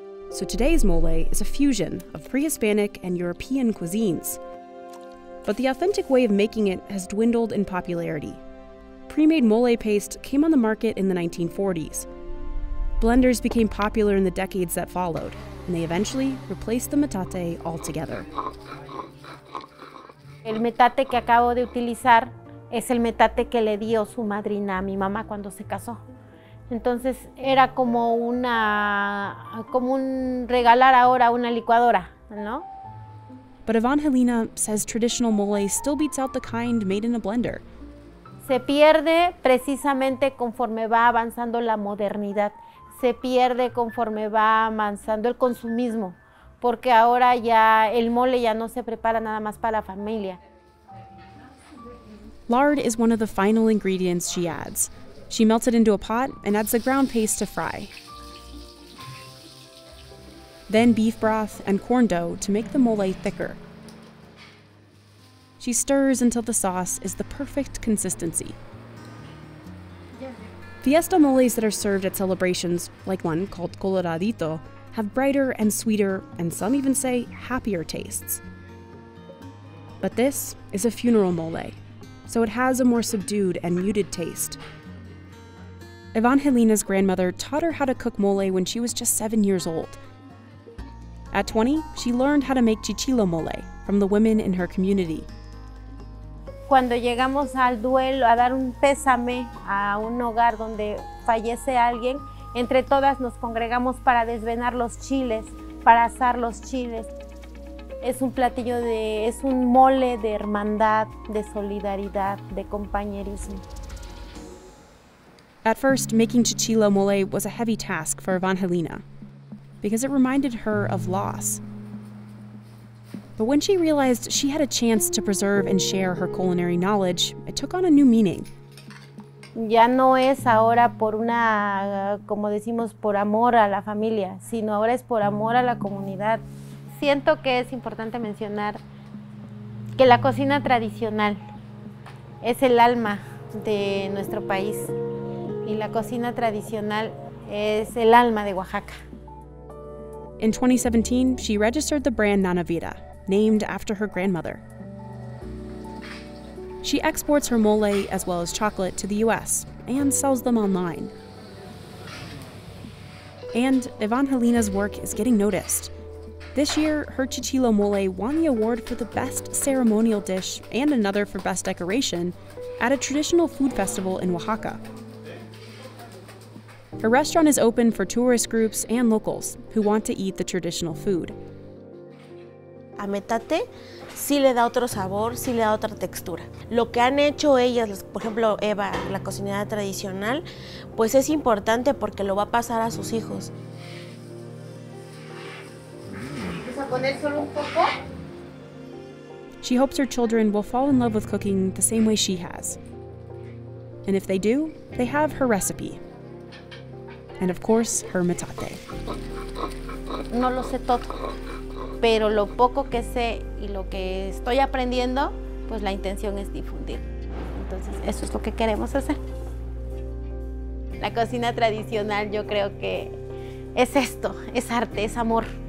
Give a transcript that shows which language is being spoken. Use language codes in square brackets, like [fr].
[en] So today's mole is a fusion of pre-Hispanic and European cuisines. But the authentic way of making it has dwindled in popularity. Pre-made mole paste came on the market in the 1940s. Blenders became popular in the decades that followed, and they eventually replaced the metate altogether. [es] El metate que acabo de utilizar es el metate que le dio su madrina a mi mamá cuando se casó. Entonces era como un regalar ahora una licuadora, ¿no? [en] But Evangelina says traditional mole still beats out the kind made in a blender. [es] Se pierde precisamente conforme va avanzando la modernidad. Se pierde conforme va avanzando el consumismo. Porque ahora ya el mole ya no se prepara nada más para la familia. [en] Lard is one of the final ingredients she adds. She melts it into a pot and adds the ground paste to fry. Then beef broth and corn dough to make the mole thicker. She stirs until the sauce is the perfect consistency. Fiesta moles that are served at celebrations, like one called Coloradito, have brighter and sweeter, and some even say happier tastes. But this is a funeral mole, so it has a more subdued and muted taste. Evangelina's grandmother taught her how to cook mole when she was just 7 years old. At 20, she learned how to make chichilo mole from the women in her community. [es] cuando llegamos al duelo, a dar un pésame a un hogar donde fallece alguien, entre todas nos congregamos para desvenar los chiles, para asar los chiles. Es un platillo de, es un mole de hermandad, de solidaridad, de compañerismo. [en] At first, making chichilo mole was a heavy task for Evangelina because it reminded her of loss. But when she realized she had a chance to preserve and share her culinary knowledge, it took on a new meaning. [es] Ya no es ahora por una, como decimos, por amor a la familia, sino ahora es por amor a la comunidad. Siento que es importante mencionar que la cocina tradicional es el alma de nuestro país. Y la cocina tradicional es el alma de Oaxaca. [en] In 2017, she registered the brand Nanavira, named after her grandmother. She exports her mole as well as chocolate to the US and sells them online. And Evangelina's work is getting noticed. This year, her chichilo mole won the award for the best ceremonial dish and another for best decoration at a traditional food festival in Oaxaca. Her restaurant is open for tourist groups and locals who want to eat the traditional food. [es] A metate sí le da otro sabor, sí le da otra textura. Lo que han hecho ellas, por ejemplo, Eva, la cocinera tradicional, pues es importante porque lo va a pasar a sus hijos. Vamos a poner solo un poco. [en] She hopes her children will fall in love with cooking the same way she has. And if they do, they have her recipe. And of course, her metate. [es] No lo sé todo, pero lo poco que sé y lo que estoy aprendiendo, pues la intención es difundir. Entonces, eso es lo que queremos hacer. La cocina tradicional, yo creo que es esto, es arte, es amor.